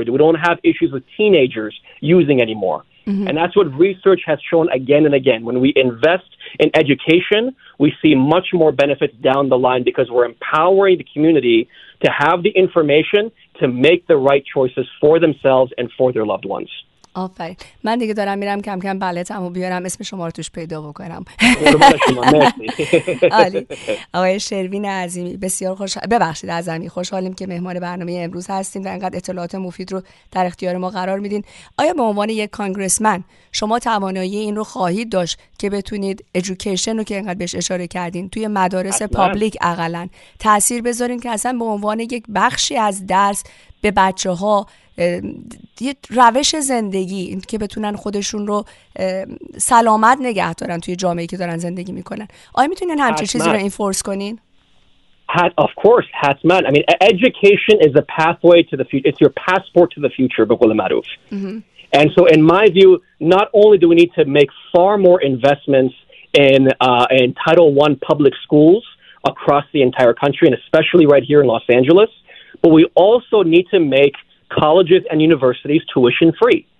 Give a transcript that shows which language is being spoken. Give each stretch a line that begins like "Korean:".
English: We don't have issues with teenagers using anymore. And that's what research has shown again and again. When we invest in education, we see much more benefits down the line because we're empowering the community to have the information to make the right choices for themselves and for their loved ones.
Persian: آفرین. من دیگه دارم میرم کم کم بلتم و بیارم اسم شما رو توش پیدا بکنم. عالی. آقای شروین عظیمی بسیار ببخشید عظیمی، خوشحالیم که مهمان برنامه امروز هستیم و اینقدر اطلاعات مفید رو در اختیار ما قرار میدین. آیا به عنوان یک کانگرسمن شما توانایی این رو خواهید داشت که بتونید ادویکیشن رو که اینقدر بهش اشاره کردین توی مدارس پابلیک اقلا تأثیر بذارین که اصلا به عنوان یک بخشی از درس به بچه ها یه روش زندگی این که بتونن خودشون رو سلامت نگه دارن توی جامعه‌ای که دارن زندگی میکنن، آیا میتونین همچین چیزی رو اینفورس کنین؟
English: Of course,
Persian: حتماً.
English: I mean, education is a pathway to the future. It's your passport to the future,
Persian: بقول معروف.
English: And so in my view, not only do we need to make far more investments in Title I public schools across the entire country and especially right here in Los Angeles, but we also need to make colleges and universities tuition free.